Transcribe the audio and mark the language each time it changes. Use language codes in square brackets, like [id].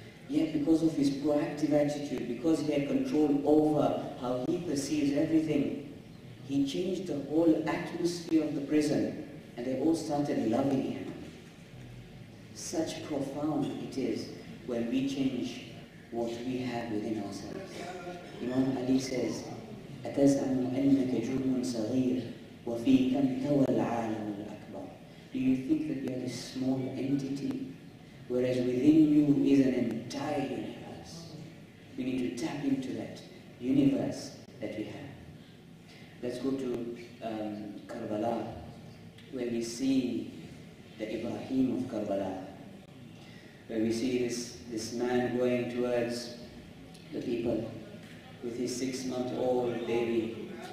[en] Yet because of his proactive attitude, because he had control over how he perceives everything, he changed the whole atmosphere of the prison, and they all started loving him. Such profound it is when we change what we have within ourselves. Imam Ali says, [ar] أَتَزْعَمُ أَنَّكَ جُرْمٌ صَغِيرٌ وَفِيكَ انْتَوَى الْعَالَمُ الْأَكْبَرُ. [en] Do you think that you are this small entity, whereas within you is an entire universe? We need to tap into that universe that we have. Let's go to Karbala, where we see the Ibrahim of Karbala, where we see this man going towards the people with his 6-month-old baby.